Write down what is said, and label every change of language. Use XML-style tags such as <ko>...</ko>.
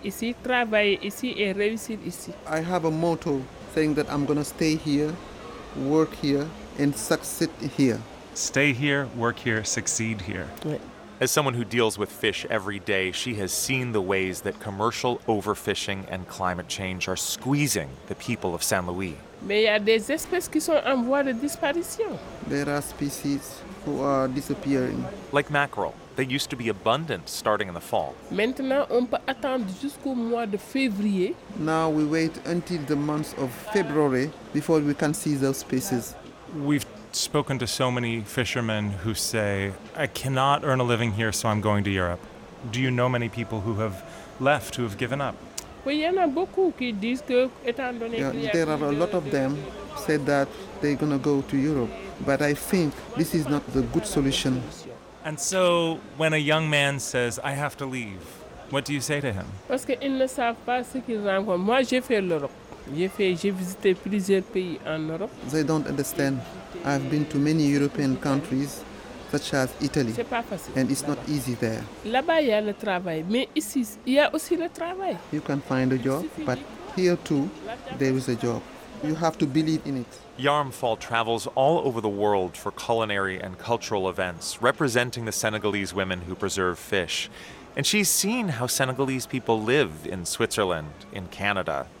<en>I have a motto saying that I'm going to stay here, work here, and succeed here. Stay here, work here, succeed here. As someone who deals with fish every day, she has seen the ways that commercial overfishing and climate change are squeezing the people of Saint Louis.</en> <fr>Mais il y a des espèces qui sont en voie de disparition.</fr> <en>There are species who are disappearing. Like mackerel, they used to be abundant starting in the fall.</en> <fr>Maintenant, on peut attendre jusqu'au mois de février.</fr> <en>Now we wait until the month of February before we can see those species. We've spoken to so many fishermen who say, I cannot earn a living here, so I'm going to Europe. Do you know many people who have left, who have given up? There are a lot of them said that they're going to go to Europe, but I think this is not the good solution. And so when a young man says, I have to leave, what do you say to him? They don't understand. I've been to many European countries, such as Italy, and it's not easy there.</en> <fr>Là-bas, il y a le travail, mais ici, il y a aussi le travail.</fr> <en>You can find a job, but here too, there is a job. You have to believe in it. Yaram Fall travels all over the world for culinary and cultural events, representing the Senegalese women who preserve fish. And she's seen how Senegalese people live in Switzerland, in Canada.</en>